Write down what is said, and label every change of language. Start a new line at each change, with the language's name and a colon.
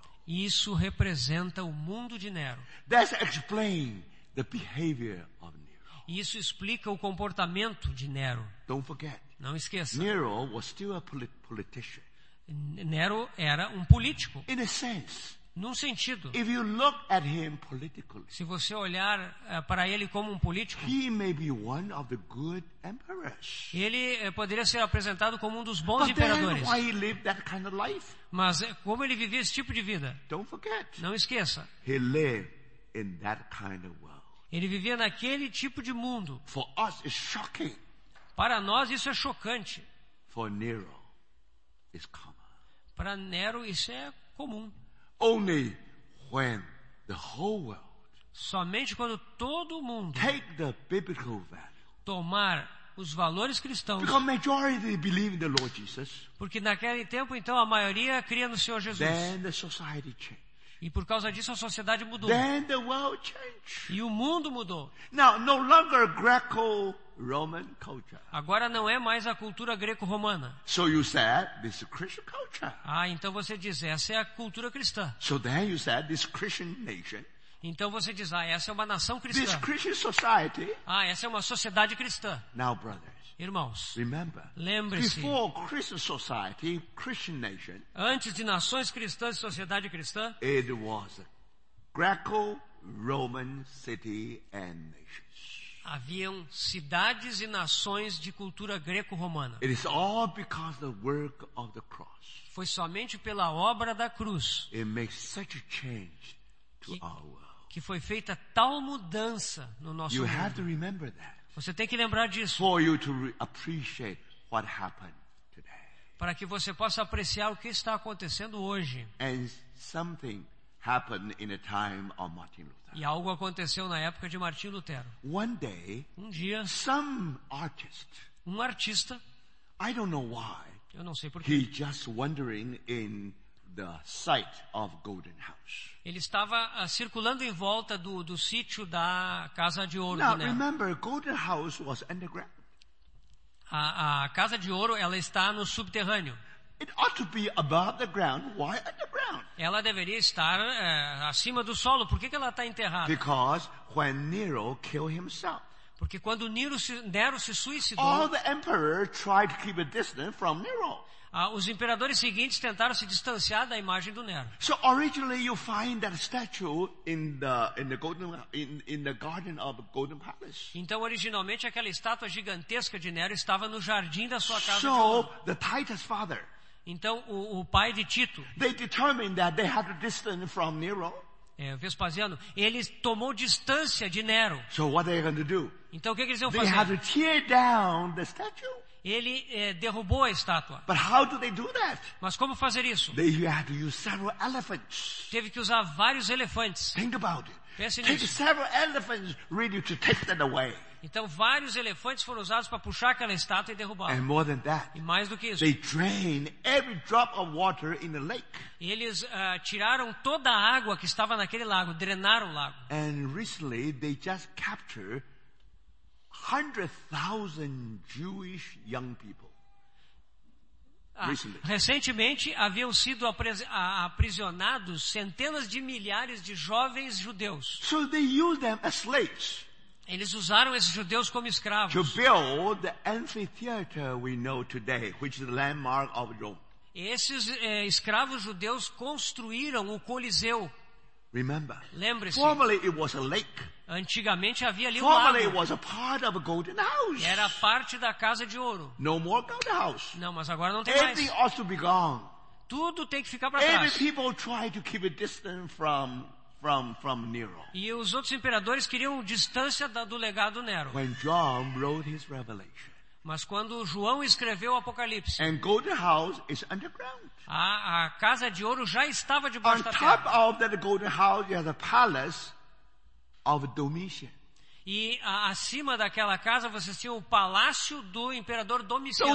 Portuguese: Isso representa o mundo de Nero.
English: That explains the behavior of Nero.
Portuguese: Isso explica o comportamento de Nero.
English: Don't forget.
Portuguese: Não esqueça.
English: Nero was still a politician.
Portuguese: Nero era um político.
English: In a sense.
Portuguese: Num sentido.
English: If you look at him politically.
Portuguese: Se você olhar para ele como um político.
English: He may be one of the good emperors.
Portuguese: Ele poderia ser apresentado como um dos bons imperadores.
English: But then why he lived that kind of life?
Portuguese: Mas como ele vivia esse tipo de vida?
English: Don't forget.
Portuguese: Não esqueça.
English: He lived in that kind of world.
Portuguese: Ele vivia naquele tipo de mundo.
English: For us it's shocking.
Portuguese: Para nós isso é chocante.
English: For Nero it's common.
Portuguese: Para Nero isso é comum.
English: Only when the whole world
Portuguese: somente quando todo mundo
English: take the biblical value,
Portuguese: tomar os valores cristãos,
English: because majority believe in the Lord Jesus,
Portuguese: porque naquele tempo então a maioria cria no Senhor Jesus,
English: then the society changed.
Portuguese: E por causa disso a sociedade mudou,
English: then the world changed.
Portuguese: E o mundo mudou.
English: Now, no longer Greco-Roman culture.
Portuguese: Agora não é mais a cultura greco-romana.
English: So you said, this is Christian culture.
Portuguese: Ah, então você diz, essa é a cultura cristã.
English: So then you said, this Christian nation.
Portuguese: Então você diz, ah, essa é uma nação cristã.
English: This Christian society.
Portuguese: Ah, essa é uma sociedade cristã.
English: Now, brothers,
Portuguese: irmãos,
English: remember,
Portuguese: lembre-se,
English: before Christian society, Christian nation,
Portuguese: antes de nações cristãs e sociedade cristã,
English: it was Greco-Roman city and nations.
Portuguese: haviam cidades e nações de cultura greco-romana.
English: It is all because of the work of the cross.
Portuguese: Foi somente pela obra da cruz.
English: It makes such a change to our world.
Portuguese: Que foi feita tal mudança no nosso
English: you
Portuguese: mundo.
English: Have to remember that.
Portuguese: Você tem que lembrar disso.
English: For you to appreciate what happened.
Portuguese: Para que você possa apreciar o que está acontecendo hoje.
English: And something happened in the time of Martin Luther.
Portuguese: E algo aconteceu na época de Martin Lutero.
English: One day,
Portuguese: um dia,
English: some artist,
Portuguese: um artista,
English: I don't know why,
Portuguese: eu não sei por
English: quê, he just wandering in the site of Golden House.
Portuguese: Ele estava circulando em volta do sítio da Casa de Ouro.
English: Now, remember, Golden House was underground.
Portuguese: A Casa de Ouro, ela está no subterrâneo.
English: It ought to be above the ground. Why underground?
Portuguese: Ela deveria estar acima do solo. Por que ela está enterrada?
English: Because when Nero killed himself.
Portuguese: Porque quando Nero se suicidou.
English: All the emperors tried to keep a distance from Nero.
Portuguese: Os imperadores seguintes tentaram se distanciar da imagem do Nero.
English: So originally you find that statue in the garden of the Golden Palace.
Portuguese: Então originalmente aquela estátua gigantesca de Nero estava no jardim da sua casa.
English: So the Titus father.
Portuguese: Então o pai de Tito.
English: They determined that they had a distance from Nero.
Portuguese: Vespasiano, ele tomou distância de Nero.
English: So what are they going to do?
Portuguese: Então o que eles iam
English: they
Portuguese: fazer?
English: Had to tear down the statue.
Portuguese: Ele derrubou a estátua.
English: But how do they do that?
Portuguese: Mas como fazer isso?
English: They had to use several elephants.
Portuguese: Teve que usar vários elefantes.
English: Think about it.
Portuguese: Pense
English: take
Portuguese: nisso.
English: Several elephants really to take that away.
Portuguese: Então vários elefantes foram usados para puxar aquela estátua e derrubá-la.
English: And more than that,
Portuguese: e mais do que isso.
English: They drained every drop of water in the lake.
Portuguese: Eles tiraram toda a água que estava naquele lago, drenaram o lago.
English: And recently they just captured 100,000 Jewish young people.
Portuguese: Recentemente haviam sido aprisionados centenas de milhares de jovens judeus.
English: So they used them as slaves.
Portuguese: Eles usaram esses judeus como escravos.
English: To build the amphitheater we know today, which is the landmark of Rome.
Portuguese: Esses escravos judeus construíram o Coliseu.
English: Remember?
Portuguese: Lembre-se.
English: Formerly it was a lake.
Portuguese: Antigamente havia ali
English: formerly
Portuguese: um lago.
English: It was a part of a golden house.
Portuguese: Era parte da Casa de Ouro.
English: No more golden house.
Portuguese: Não, mas agora não tem
English: everything
Portuguese: mais.
English: Everything ought to be gone.
Portuguese: Tudo tem que ficar para trás.
English: Every people try to keep a distance from Nero.
Portuguese: E os outros imperadores queriam distância do legado Nero.
English: When John wrote his revelation.
Portuguese: Mas quando João escreveu o Apocalipse.
English: And golden house is underground.
Portuguese: A Casa de Ouro já estava debaixo
English: on
Portuguese: da terra.
English: On top of that golden house you have the palace of Domitian.
Portuguese: E acima daquela casa você tinha o palácio do imperador Domiciano.